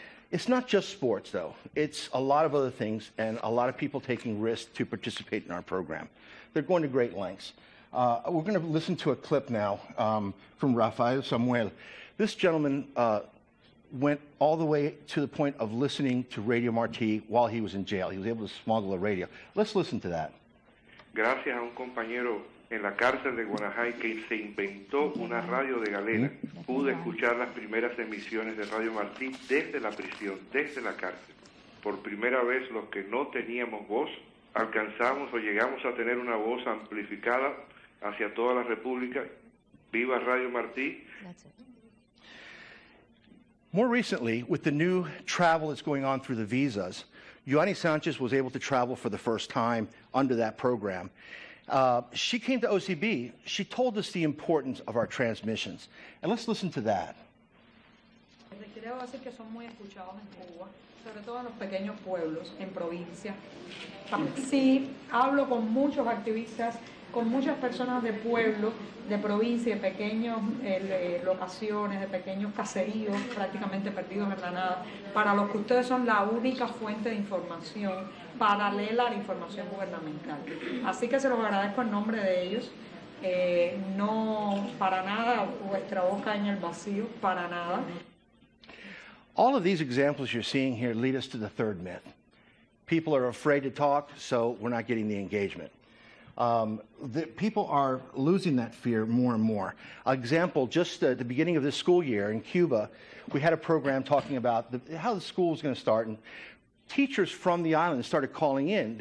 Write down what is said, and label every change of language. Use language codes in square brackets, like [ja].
[en] It's not just sports, though. It's a lot of other things and a lot of people taking risks to participate in our program. They're going to great lengths. We're going to listen to a clip now from Rafael Samuel. This gentleman went all the way to the point of listening to Radio Martí while he was in jail. He was able to smuggle a radio. Let's listen to that. [es] Gracias a un compañero en la cárcel de Guanajay que se inventó una radio de galena, pude escuchar las primeras emisiones de Radio Martí desde la prisión, desde la cárcel. Por primera vez, los que no teníamos voz, alcanzamos o llegamos a tener una voz amplificada hacia toda la República. ¡Viva Radio Martí! [en] More recently, with the new travel that's going on through the visas, Yoani Sanchez was able to travel for the first time under that program. She came to OCB. She told us the importance of our transmissions. And let's listen to that. [es] Les quiero decir que son muy escuchados en Cuba, sobre todo en los pequeños pueblos, en provincias. Sí, hablo con muchos activistas, con muchas personas de pueblo, de provincia, de pequeños locaciones, de pequeños caseríos, prácticamente perdidos en la nada, para los que ustedes son la única fuente de información paralela a la información gubernamental. Así que se los agradezco en nombre de ellos. No para nada vuestra boca en el vacío, para nada. [en] All of these examples you're seeing here lead us to the third myth. People are afraid to talk, so we're not getting the engagement. The people are losing that fear more and more. Example, just at the beginning of this school year in Cuba, we had a program talking about how the school was going to start, and teachers from the island started calling in.